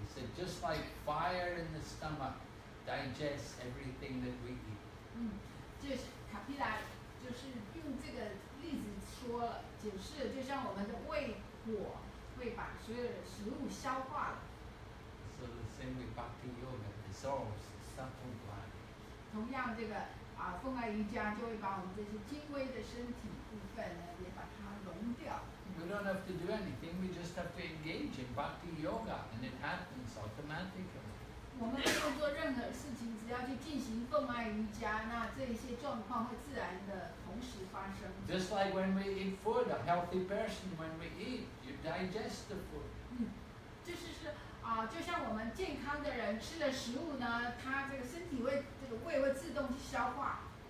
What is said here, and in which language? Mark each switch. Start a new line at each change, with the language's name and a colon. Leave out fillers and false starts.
English: So just like fire in the stomach digests everything that we eat.
Chinese: 就是卡皮拉就是用这个例子说了，解释，就像我们的胃火会把所有的食物消化了。
English: So the same with Bhakti Yoga dissolves sattva-guna.
Chinese: 同样这个啊，风爱瑜伽就会把我们这些精微的身体部分呢，也把它融掉。
English: We don't have to do anything. We just have to engage in Bhakti Yoga, and it happens automatically.
Chinese: 我们不用做任何事情，只要去进行风爱瑜伽，那这些状况会自然的同时发生。
English: Just like when we eat food, a healthy person, when we eat, you digest the food.
Chinese: 就是说。就像我们健康的人吃了食物呢，他这个身体会这个胃会自动去消化。